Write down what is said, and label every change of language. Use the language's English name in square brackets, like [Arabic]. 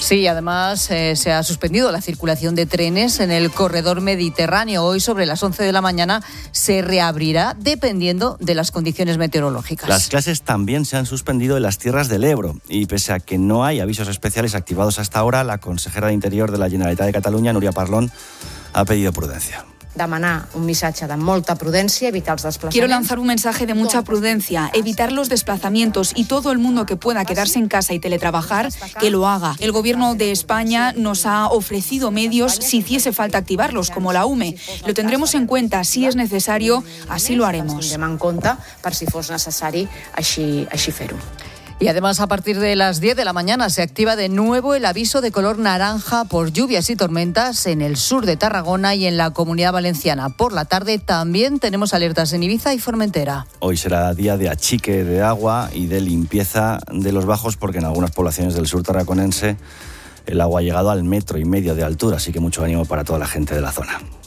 [Spanish] Sí, además se ha suspendido la circulación de trenes en el corredor mediterráneo. Hoy, sobre las 11 de la mañana, se reabrirá dependiendo de las condiciones meteorológicas. Las clases también se han suspendido en las tierras del Ebro. Y pese a que no hay avisos especiales activados hasta ahora, la consejera de Interior de la Generalitat de Cataluña, Núria Parlon, ha pedido prudencia. [Catalan] Demanar un missatge de molta prudència, evitar els desplaçaments. [Spanish] Quiero lanzar un mensaje de mucha prudencia, evitar los desplazamientos y todo el mundo que pueda quedarse en casa y teletrabajar, que lo haga. El gobierno de España nos ha ofrecido medios si hiciese falta activarlos, como la UME. Lo tendremos en cuenta, si es necesario, así lo haremos. [Catalan] Tendrem en compte per si fos necessari així fer-ho. [Spanish] Y además, a partir de las 10 de la mañana se activa de nuevo el aviso de color naranja por lluvias y tormentas en el sur de Tarragona y en la Comunidad Valenciana. Por la tarde también tenemos alertas en Ibiza y Formentera. Hoy será día de achique de agua y de limpieza de los bajos, porque en algunas poblaciones del sur tarraconense el agua ha llegado al metro y medio de altura, así que mucho ánimo para toda la gente de la zona.